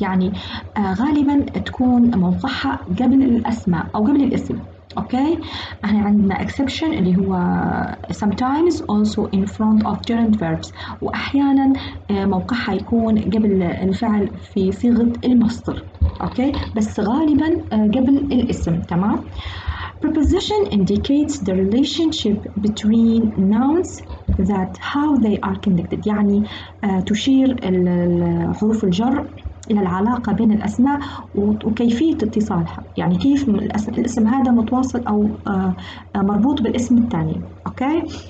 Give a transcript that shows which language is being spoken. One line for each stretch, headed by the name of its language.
Arabic: يعني غالبا تكون موقعها قبل الاسماء او قبل الاسم. Okay, احنا عندنا exception اللي هو
English: sometimes also in front of gerund verbs
Arabic: واحيانا موقعها يكون قبل الفعل في صيغة المصدر. Okay, بس غالبا قبل الاسم تمام.
English: Preposition indicates the relationship between nouns that how they are connected.
Arabic: يعني تشير حروف الجر إلى العلاقة بين الأسماء وكيفية اتصالها يعني كيف الاسم هذا متواصل أو مربوط بالاسم الثاني okay?